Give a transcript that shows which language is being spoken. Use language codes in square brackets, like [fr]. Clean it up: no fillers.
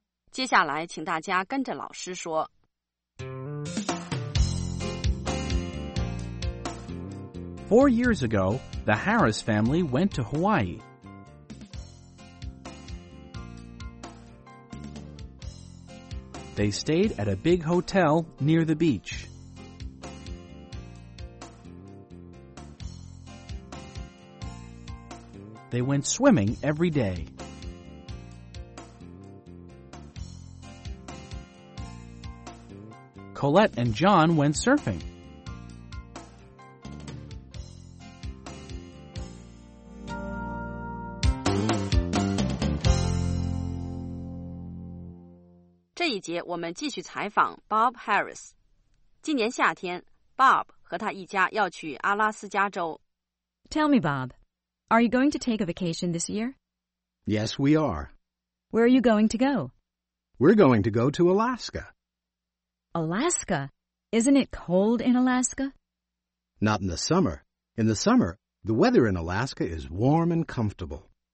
[zh] 接下来请大家跟着老师说。 [en] 4 years ago, the Harris family went to Hawaii. They stayed at a big hotel near the beach. They went swimming every day. Colette and John went surfing. [zh] 这一节我们继续采访 Bob Harris。今年夏天 Bob 和他一家要去阿拉斯加州。 [en] Tell me Bob, are you going to take a vacation this year? Yes, we are. Where are you going to go? We're going to go to Alaska. Alaska? Isn't it cold in Alaska? Not in the summer. In the summer, the weather in Alaska is warm and comfortable.